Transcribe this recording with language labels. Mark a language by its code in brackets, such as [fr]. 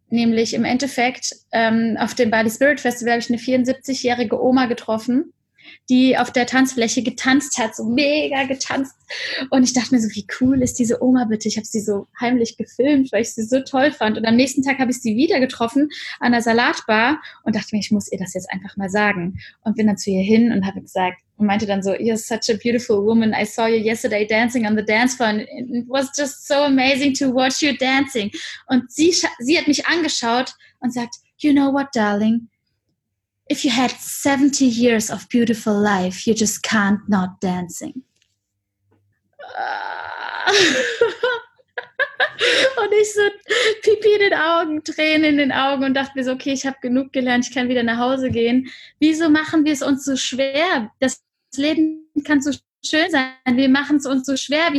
[de] Nämlich im Endeffekt auf dem Bali Spirit Festival habe ich eine 74-jährige Oma getroffen, die auf der Tanzfläche getanzt hat, so mega getanzt. Und ich dachte mir so, wie cool ist diese Oma bitte? Ich habe sie so heimlich gefilmt, weil ich sie so toll fand. Und am nächsten Tag habe ich sie wieder getroffen an der Salatbar und dachte mir, ich muss ihr das jetzt einfach mal sagen. Und bin dann zu ihr hin und habe gesagt, und meinte dann so, [en] you're such a beautiful woman. I saw you yesterday dancing on the dance floor and it was just so amazing to watch you dancing. [de] Und sie hat mich angeschaut und sagt, [en] you know what, darling? If you had 70 years of beautiful life, you just can't not dancing. [de] Und ich so Pipi in den Augen, Tränen in den Augen und dachte mir so, okay, ich habe genug gelernt, ich kann wieder nach Hause gehen. Wieso machen wir es uns so schwer? Das Leben kann so schön sein, wir machen es uns so schwer.